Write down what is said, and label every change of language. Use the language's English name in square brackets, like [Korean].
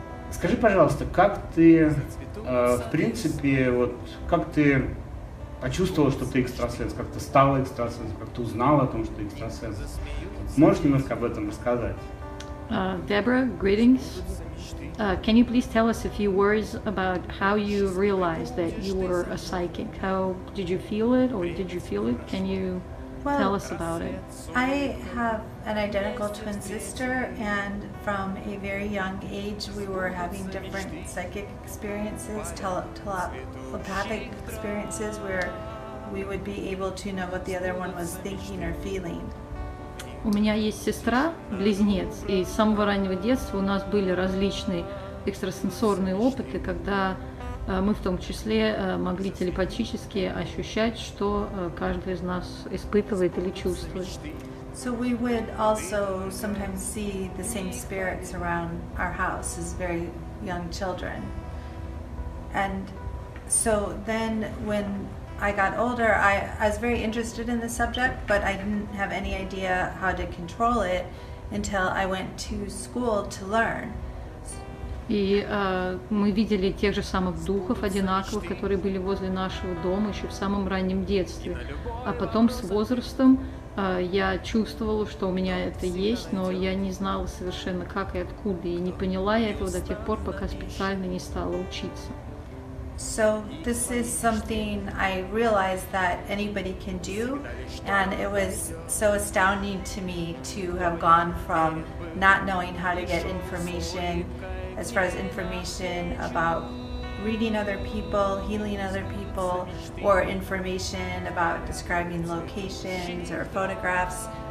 [Russian] Скажи, пожалуйста, как ты, в принципе, вот как ты почувствовала, что ты экстрасенс, как ты стала экстрасенсом, как ты узнала о том, что ты экстрасенс? Можешь немножко об этом рассказать? [English] Deborah, greetings. Can you please tell us a few words about how you realized that you were a psychic? How did you feel it, or did you feel it? Can you tell us about it? I have an identical twin sister, and from a very young age, we were having different psychic experiences, telepathic experiences, where we would be able to know what the other one was thinking or feeling. [Russian] У меня есть сестра, близнец, и с самого раннего детства у нас были различные экстрасенсорные опыты, когда мы в том числе могли телепатически ощущать, что каждый из нас испытывает или чувствует. [English] So we would also sometimes see the same spirits around our house as very young children. And so then when I got older, I was very interested in the subject, but I didn't have any idea how to control it until I went to school to learn. [Russian] И мы видели тех же самых духов одинаковых, которые были возле нашего дома еще в самом раннем детстве. А потом с возрастом я чувствовала, что у меня это есть, но я не знала совершенно как и откуда, и не поняла я этого до тех пор, пока специально не стала учиться. [English] So this is something I realized that anybody can do, and it was so astounding to me to have gone from not knowing how to get information, as far as information about reading other people, healing other people, or information about describing locations or photographs.